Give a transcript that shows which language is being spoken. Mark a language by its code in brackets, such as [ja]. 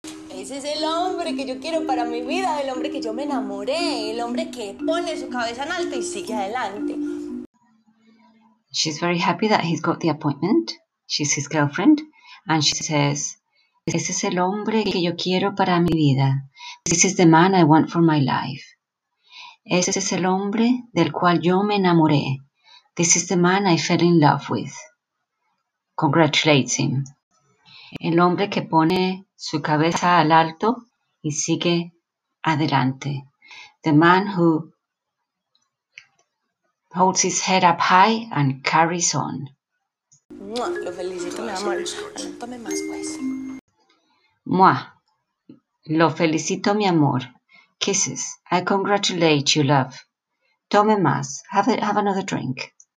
[es] Ese es el hombre que yo quiero para mi vida, el hombre que yo me enamoré, el hombre que pone su cabeza en alto y sigue adelante. [en] She's very happy that he's got the appointment. She's his girlfriend. And she says, [es] ese es el hombre que yo quiero para mi vida. [en] This is the man I want for my life. [es] Ese es el hombre del cual yo me enamoré. [en] This is the man I fell in love with. Congratulates him. [es] El hombre que pone su cabeza al alto y sigue adelante. [en] The man who holds his head up high and carries on. [es] Mua, lo felicito, mi amor. Tome más, pues. Mua, lo felicito, mi amor. [en] Kisses. I congratulate you, love. [es] Tome más. [en] Have another drink.